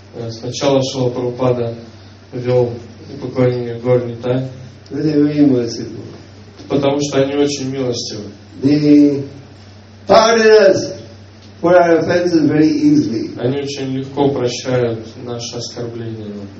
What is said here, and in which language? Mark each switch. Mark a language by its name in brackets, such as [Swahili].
[Russian] Сначала Шрила Прабхупада вел поклонение Горнитай, потому что они очень милостивы. [English] They pardon us for our offenses very easily. [Russian] Они очень легко прощают наши оскорбления.